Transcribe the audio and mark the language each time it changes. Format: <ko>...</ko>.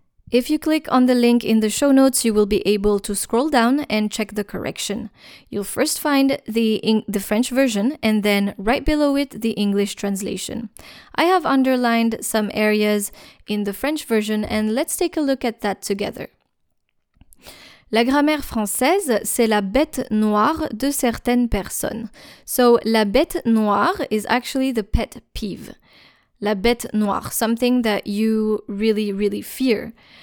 <en>If you click on the link in the show notes, you will be able to scroll down and check the correction. You'll first find the French version and then right below it, the English translation. I have underlined some areas in the French version and let's take a look at that together.</en> <fr>La grammaire française, c'est la bête noire de certaines personnes.</fr> <en>So, la bête noire is actually the pet peeve. La bête noire, something that you really, really fear.</en>